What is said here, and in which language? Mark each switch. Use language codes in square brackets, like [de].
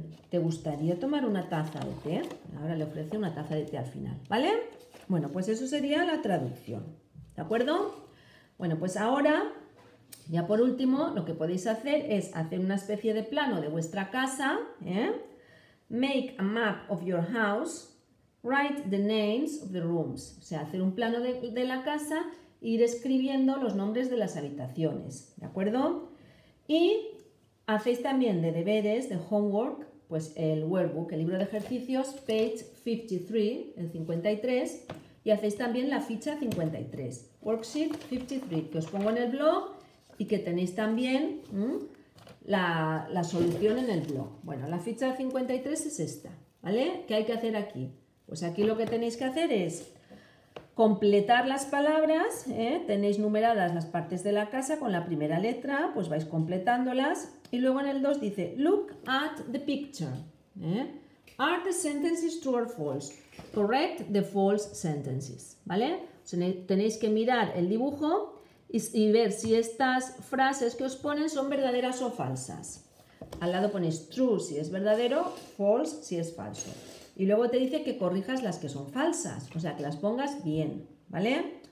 [es] ¿Te gustaría tomar una taza de té? Ahora le ofrece una taza de té al final, ¿vale? Bueno, pues eso sería la traducción, ¿de acuerdo? Bueno, pues ahora, ya por último, lo que podéis hacer es hacer una especie de plano de vuestra casa. [en] Make a map of your house. Write the names of the rooms. [es] O sea, hacer un plano de la casa e ir escribiendo los nombres de las habitaciones, ¿de acuerdo? Y hacéis también de deberes, de homework, pues el workbook, el libro de ejercicios, [en] page 53, [es] el 53, y hacéis también la ficha 53, [en] worksheet 53, [es] que os pongo en el blog y que tenéis también la solución en el blog. Bueno, la ficha 53 es esta, ¿vale? ¿Qué hay que hacer aquí? Pues aquí lo que tenéis que hacer es completar las palabras, tenéis numeradas las partes de la casa con la primera letra, pues vais completándolas. Y luego en el 2 dice, [en] look at the picture. Are the sentences true or false? Correct the false sentences. [es] ¿Vale? Tenéis que mirar el dibujo y ver si estas frases que os ponen son verdaderas o falsas. Al lado ponéis true si es verdadero, false si es falso. Y luego te dice que corrijas las que son falsas, o sea, que las pongas bien, ¿vale?